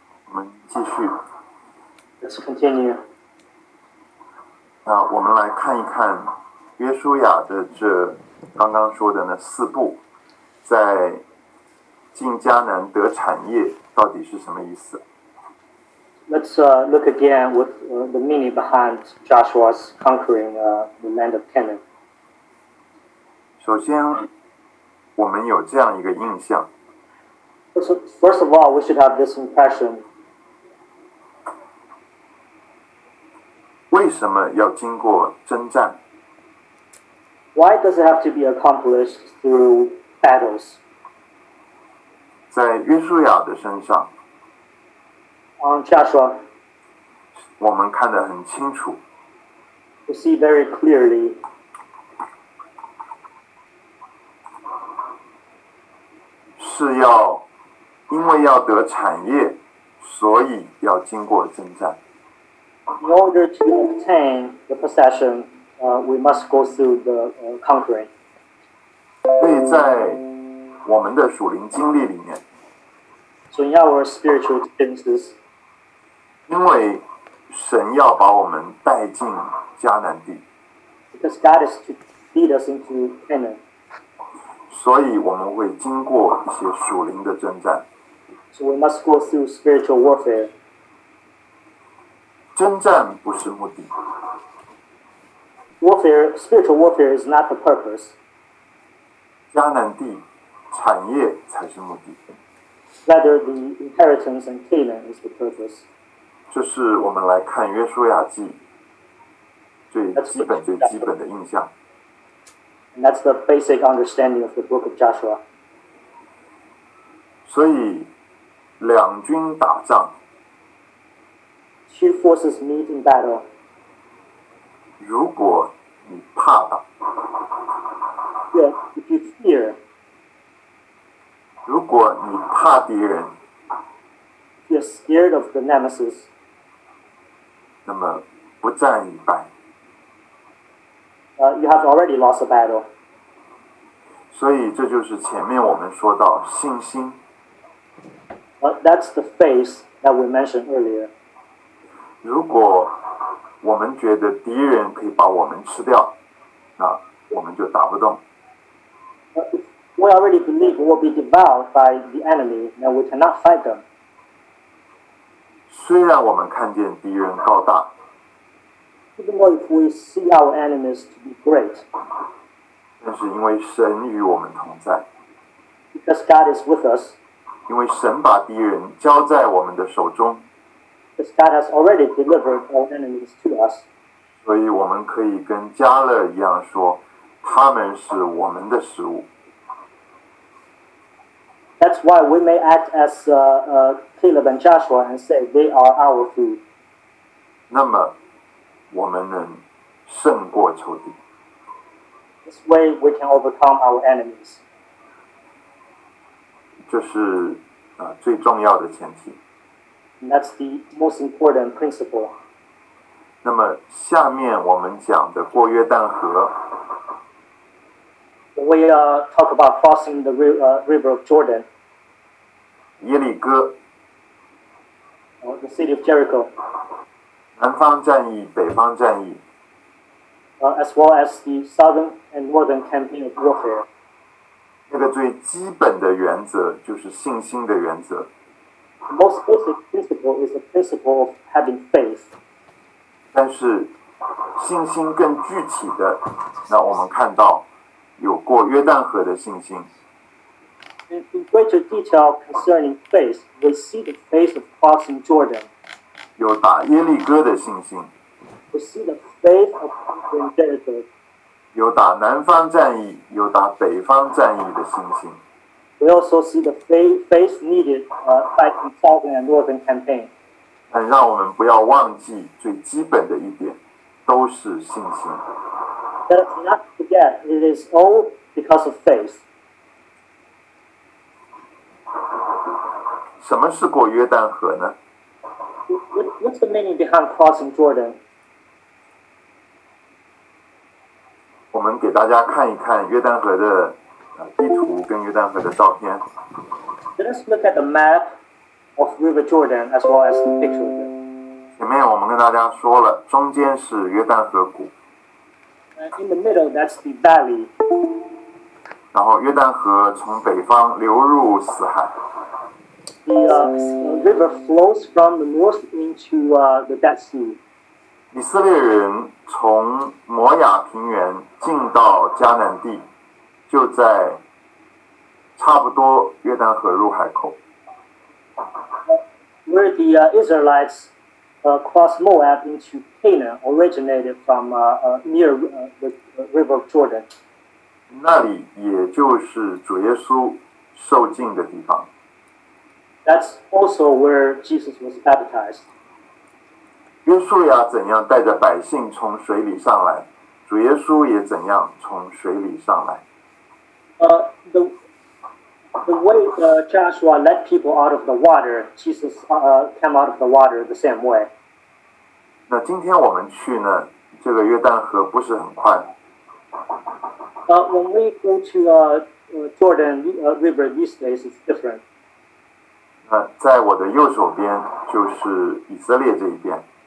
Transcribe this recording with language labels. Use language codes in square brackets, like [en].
[zh] 我们继续。 [en] Let's continue。 [zh] 那我们来看一看约书亚的这刚刚说的那四步，在进迦南得产业到底是什么意思。 [en] Let's look again with the meaning behind Joshua's conquering the land of Canaan. [zh] 首先，我们有这样一个印象。 [en] First of all, we should have this impression. [zh] 为什么要经过征战？ [en] Why does it have to be accomplished through battles? [zh] 在约书亚的身上。 [en] Joshua, [zh] 我们看得很清楚。 [en] We see very clearly. [zh] 是要，因为要得产业，所以要经过征战。 [en] In order to obtain the possession, we must go through the conquering. [zh] 所以在我们的属灵经历里面。 [en] So in our spiritual experiences. [zh] 因为神要把我们带进迦南地。 [en] Because God is to lead us into Canaan. [zh] 所以我们会经过一些属灵的征战。 [en] So we must go through spiritual warfare. [zh] 征战不是目的。 [en] Warfare, spiritual warfare is not the purpose. [zh] 迦南地产业才是目的。 [en] Rather the inheritance and Canaan is the purpose. [zh] 这是我们来看约书亚记最基本最基本的印象。 [en] And that's the basic understanding of the book of Joshua. [zh] 所以两军打仗。 [en] Two forces meet in battle. [zh] 如果你怕打。 [en] Yeah, if you fear. [zh] 如果你怕敌人。 [en] You're scared of the nemesis. [zh] 那么不战已败。 [en] You have already lost a battle. [zh] 所以这就是前面我们说到信心。 [en] That's the faith that we mentioned earlier. [zh] 如果我们觉得敌人可以把我们吃掉，那我们就打不动。 [en] We already believe we will be devoured by the enemy, and we cannot fight them. [zh] 虽然我们看见敌人高大， [en] Even though if we see our enemies to be great, [zh] 但是因为神与我们同在， [en] Because God is with us, [zh] 因为神把敌人交在我们的手中， [en] Because God has already delivered our enemies to us, [zh] 所以我们可以跟加勒一样说，他们是我们的食物。 [en] That's why we may act as Caleb and Joshua and say they are our food. [zh] 那么我们能胜过仇敌。 [en] This way we can overcome our enemies. [zh] 这是最重要的前提。 [en] And that's the most important principle. [zh] 那么下面我们讲的过约旦河。 [en] We talk about crossing the river of Jordan. [zh] 耶利哥 [en] The city of Jericho. [zh] 南方战役，北方战役。 [en] As well as the southern and northern campaign of warfare. [zh] 那个最基本的原则就是信心的原则。 [en] The most basic principle is the principle of having faith. [zh] 但是信心更具体的，那我们看到有过约旦河的信心。 [en] In greater detail concerning faith, we see the faith of crossing Jordan. [zh] 有打耶利哥的信心。 [en] We see the faith of conquering Jericho. [zh] 有打南方战役，有打北方战役的信心。 [en] We also see the faith needed fighting southern and northern campaign. [zh] 但让我们不要忘记最基本的一点，都是信心。 [en] Let us not forget, it is all because of faith. [zh] 什么是过约旦河呢？ [en] What's the meaning behind crossing Jordan? [zh] 我们给大家看一看约旦河的地图跟约旦河的照片。 [en] Let's look at the map of River Jordan as well as the picture. [zh] 前面我们跟大家说了，中间是约旦河谷。 [en] In the middle, that's the valley. [zh] 然后约旦河从北方流入死海。 [en] The river flows from the north into the Dead Sea. [zh] 以色列人从摩亚平原进到迦南地，就在差不多约旦河入海口。 [en] Where the Israelites crossed Moab into Canaan originated from near the River of Jordan. [zh] 那里也就是主耶稣受浸的地方。 [en] That's also where Jesus was baptized. [zh] 约书亚怎样带着百姓从水里上来，主耶稣也怎样从水里上来。 [en] The way Joshua led people out of the water, Jesus came out of the water the same way. [zh] 那今天我们去呢，这个约旦河不是很快。 [en] When we go to Jordan River these days, it's different. [zh] 在我的右手边就是以色列这一边。